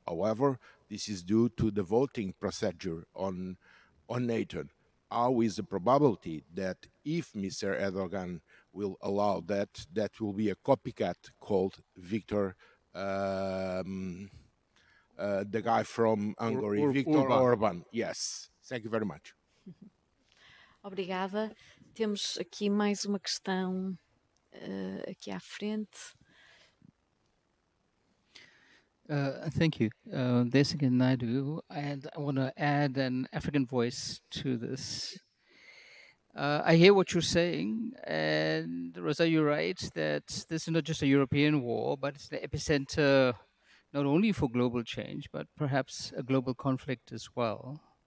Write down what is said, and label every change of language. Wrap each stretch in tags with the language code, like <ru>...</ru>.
<en>However, this is due to the voting procedure on NATO. How is the probability that if Mr. Erdogan will allow that, that will be a copycat called Viktor, the guy from Hungary, Viktor Orban. Yes, thank you very much.</en> <pt>Obrigada. Temos aqui mais uma questão aqui à frente.</pt> <en>Thank you. Desigan Naidu, and I want to add an African voice to this. I hear what you're saying, and Rosa, you're right that this is not just a European war, but it's the epicenter not only for global change, but perhaps a global conflict as well.</en>